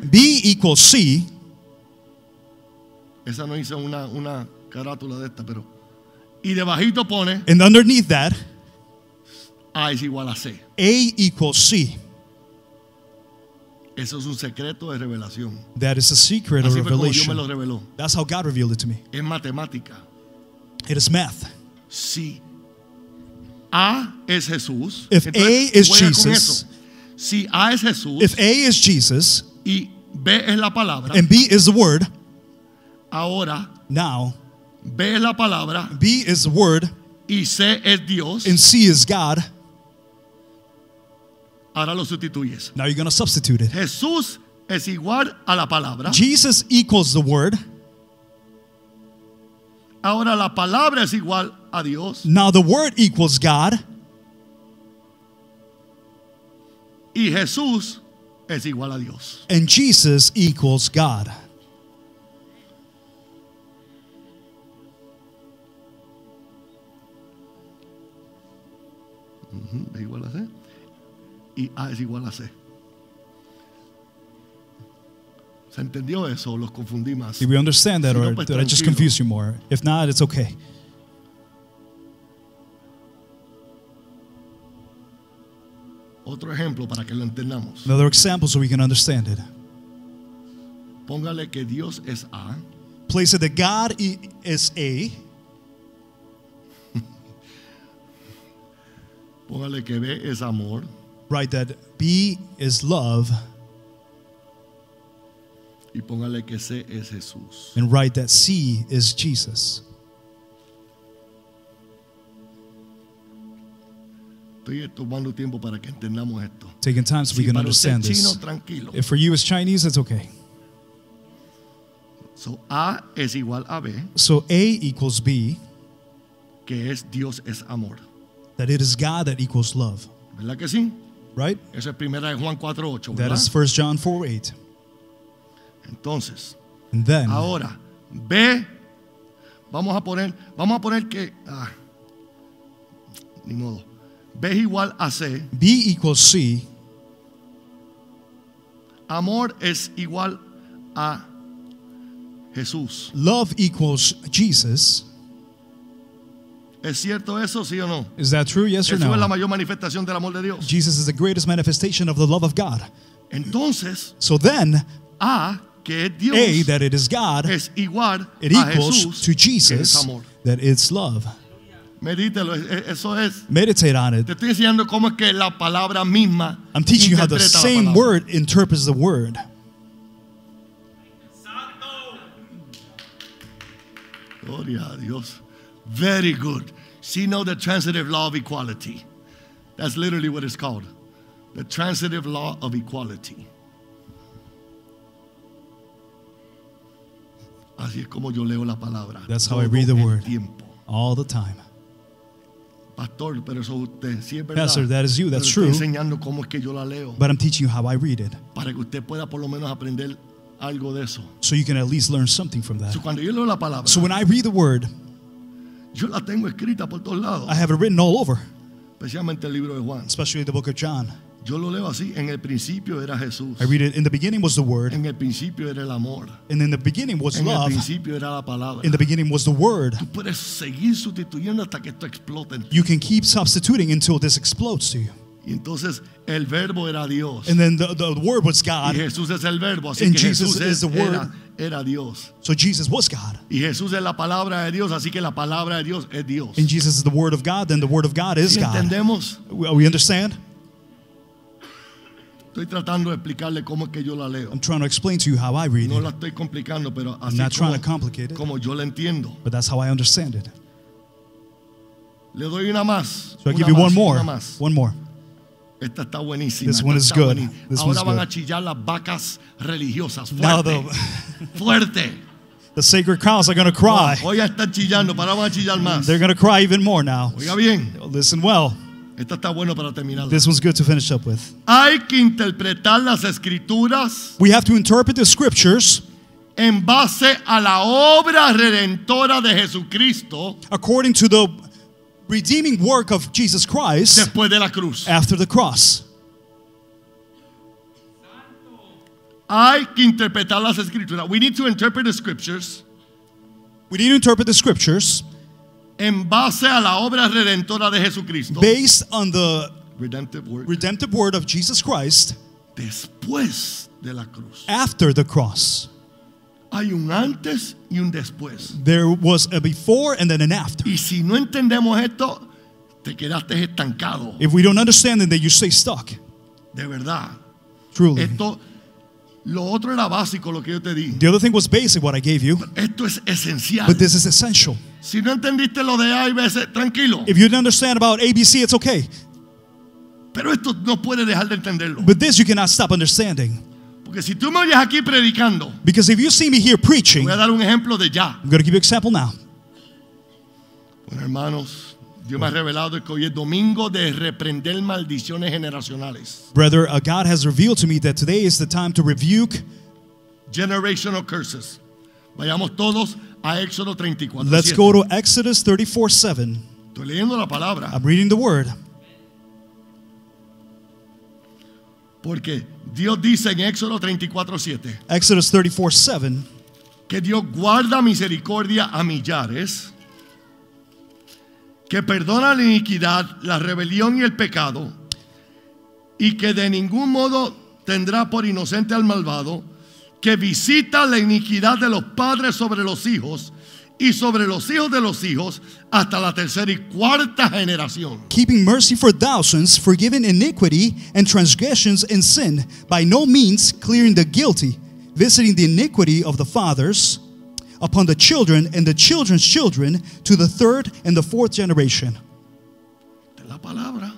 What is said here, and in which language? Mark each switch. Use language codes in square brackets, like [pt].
[en] B equals C. [es] Esa no hice una carátula de esta, pero y debajito pone [en] and underneath that [es] A es igual a C. [en] A equals C. [es] Eso es un secreto de revelación. [en] That is a secret of revelation. [es] Así fue como Dios me lo reveló. [en] That's how God revealed it to me. [es] Es matemática. [en] It is math. [es] Si A es Jesús, [en] if A is Jesus, [es] si A es Jesús, [en] if A is Jesus, [es] y B es la palabra, [en] and B is the word, [es] ahora [en] now [es] B es la palabra. [en] B is the word. [es] Y C es Dios. [en] And C is God. [es] Ahora lo sustituyes. [en] Now you're going to substitute it. [es] Jesús es igual a la palabra. [en] Jesus equals the word. [es] Ahora la palabra es igual a Dios. [en] Now the word equals God. [es] Y Jesús es igual a Dios. [en] And Jesus equals God. [es] Es igual a C y A es igual a C. ¿Se entendió eso? Los confundí más. [en] Did we understand that, or did I just confuse you more? If not, it's okay. [es] Otro ejemplo para que lo entendamos. [en] Another example so we can understand it. [es] Póngale que Dios es A. [en] Place it that God is A. [es] Póngale que B es amor. [en] Write that B is love. [es] Y póngale que C es Jesús. [en] And write that C is Jesus. [es] Estoy tomando tiempo para que entendamos esto. [en] Taking time so we can understand this. [es] Tranquilo. [en] If for you it's Chinese, it's okay. [es] So A es igual a B. [en] So A equals B. [es] Que es Dios es amor. [en] That it is God that equals love. [es] ¿Verdad que sí? [en] Right? [es] Eso es primera de Juan 4:8, ¿verdad? [en] That is 1 John 4:8. [es] Entonces, [en] and then, [es] ahora B, vamos a poner que ni modo. B es igual a C. [en] B equals C. [es] Amor es igual a Jesús. [en] Love equals Jesus. [es] ¿Es cierto eso, sí o no? [en] Is that true, yes or no? [es] Es la mayor manifestación del amor de Dios. [en] Jesus is the greatest manifestation of the love of God. [es] Entonces, [en] so then, [es] A, que es Dios, [en] A, that it is God, [es] es igual [en] it [es] a [en] equals [es] Jesús, [en] to Jesus, [es] que es amor. [en] That it's love. [es] Medítelo, eso es. [en] Meditate on it. [es] Te estoy enseñando cómo es que la palabra misma. [en] I'm teaching you how the same word interprets the word. [es] Santo. Gloria a Dios. [en] Very good. See, know the transitive law of equality. That's literally what it's called. The transitive law of equality. [es] Así es como yo leo la palabra. [en] That's how I read the word. [es] Tiempo. [en] All the time. [es] Pastor, pero eso usted, sí es verdad. [en] Pastor, that is you, that's true. [es] Enseñando cómo es que yo la leo. [en] But I'm teaching you how I read it. [es] Para que usted pueda por lo menos aprender algo de eso. [en] So you can at least learn something from that. [es] So cuando yo leo la palabra, [en] so when I read the word, [es] yo la tengo escrita por todos lados. [en] I have it written all over. [es] Especialmente el libro de Juan. [en] Especially the book of John. [es] Yo lo leo así, en el principio era Jesús. [en] I read it, in the beginning was the word. [es] En el principio era el amor. [en] And in the beginning was [es] en [en] love. [es] En el principio era la palabra. [en] In the beginning was the word. [es] Tú puedes seguir sustituyendo hasta que esto explote. [en] You can keep substituting until this explodes to you. [es] Y entonces el verbo era Dios. [en] And then the word was God. [es] Y Jesús es el verbo, así [en] and [es] que [en] Jesus [es] Jesús [en] is the word. [es] Era Dios. [en] So Jesus was God. [es] Y Jesús es la palabra de Dios, así que la palabra de Dios es Dios. [en] And Jesus is the word of God, then the word of God is God. [es] ¿Entendemos? [en] We understand? [es] Estoy tratando de explicarle cómo es que yo la leo. [en] I'm trying to explain to you how I read [es] it. No la estoy complicando, pero así [en] I'm not trying to complicate it. [es] Como yo la entiendo. [en] But that's how I understand it. [es] Le doy una más. [en] So I give you one more. One more. [es] Esta está buenísima. [en] This one is good. This [es] ahora van [en] good. [es] A chillar las vacas religiosas. Fuerte. Fuerte. [en] The sacred cows are going to cry. [es] Oh, hoy están chillando, pero van a chillar más. [en] They're going to cry even more now. [es] Oiga bien. [en] Listen well. [es] Esta está bueno para terminarla. [en] This one's good to finish up with. [es] Hay que interpretar las escrituras. [en] We have to interpret the scriptures. [es] En base a la obra redentora de Jesucristo. [en] According to the redeeming work of Jesus Christ. [es] Después de la cruz. [en] After the cross. [es] Hay que interpretar las escrituras. [en] We need to interpret the scriptures. We need to interpret the scriptures. [es] En base a la obra redentora de Jesucristo. [en] Based on the redemptive word of Jesus Christ. [es] Después de la cruz. [en] After the cross. [es] Hay un antes y un después. [en] There was a before and then an after. [es] Y si no entendemos esto, te quedaste estancado. [en] If we don't understand it, then you stay stuck. [es] De verdad. [en] Truly. [es] Esto, lo otro era básico, lo que yo te di. [en] The other thing was basic, what I gave you. [es] Esto es esencial. [en] But this is essential. [es] Si no entendiste lo de A y B, tranquilo. [en] If you didn't understand about ABC, it's okay. [es] Pero esto no puede dejar de entenderlo. [en] But this you cannot stop understanding. [es] Porque si tú me oyes aquí predicando, [en] because if you see me here preaching, [es] voy a dar un ejemplo de ya. [en] I'm going to give you an example now. [es] Bueno, hermanos, Dios me ha revelado que hoy es domingo de reprender maldiciones generacionales. [en] Brother, God has revealed to me that today is the time to rebuke generational curses. [es] Vayamos todos a Éxodo 34:7. [en] Let's go to Exodus 34:7. [es] Estoy leyendo la palabra. [en] I'm reading the word. [es] Porque Dios dice en Éxodo 34:7. [en] Exodus 34:7. [es] Que Dios guarda misericordia a millares, que perdona la iniquidad, la rebelión y el pecado, y que de ningún modo tendrá por inocente al malvado, que visita la iniquidad de los padres sobre los hijos y sobre los hijos de los hijos hasta la tercera y cuarta generación. [en] Keeping mercy for thousands, forgiving iniquity and transgressions and sin, by no means clearing the guilty, visiting the iniquity of the fathers upon the children and the children's children to the third and the fourth generation. [es] De la palabra.